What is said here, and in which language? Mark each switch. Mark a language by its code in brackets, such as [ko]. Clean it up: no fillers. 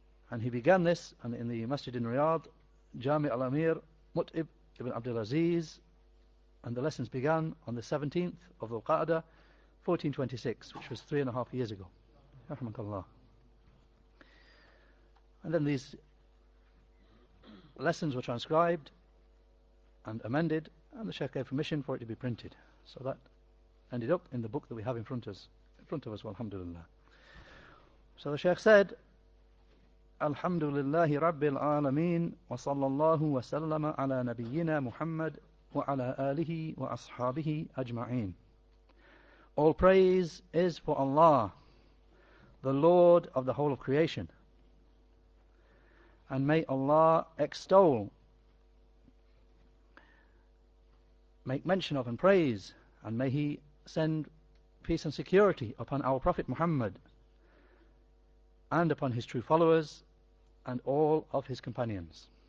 [en] And he began this in the masjid in Riyadh, Jami al-Amir Mut'ib ibn Abdulaziz, and the lessons began on the 17th of Dhul-Qa'da, 1426, which was 3.5 years ago. Rahmakallah. And then these lessons were transcribed and amended, and the Shaykh gave permission for it to be printed. So that ended up in the book that we have in front of us, alhamdulillah. So the Shaykh said, [ar] الحمد لله رب العالمين وصلى الله وسلم على نبينا محمد وعلى آله وأصحابه أجمعين. [en] All praise is for Allah, the Lord of the whole of creation. And may Allah extol, make mention of and praise, and may He send peace and security upon our Prophet Muhammad and upon his true followers and all of his companions.